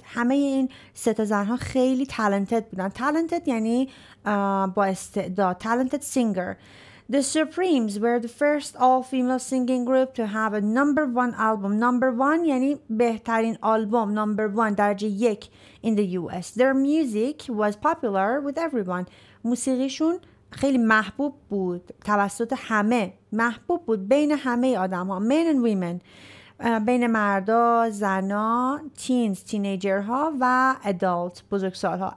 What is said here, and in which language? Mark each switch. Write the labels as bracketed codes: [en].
[fa] همه این سه تا زنها خیلی talented بودن. Talented یعنی با استعداد. [en] Talented singer. The Supremes were the first all-female singing group to have a number one album. [fa] Number one یعنی بهترین آلبوم. [en] Number one [fa] درجه یک [en] in the US. Their music was popular with everyone. [fa] موسیقیشون خیلی محبوب بود. توسط همه. محبوب بود بین همه آدم ها. [en] Men and women. [fa] بین مردا، زنا، teens, teenager ها و adults, بزرگسال ها.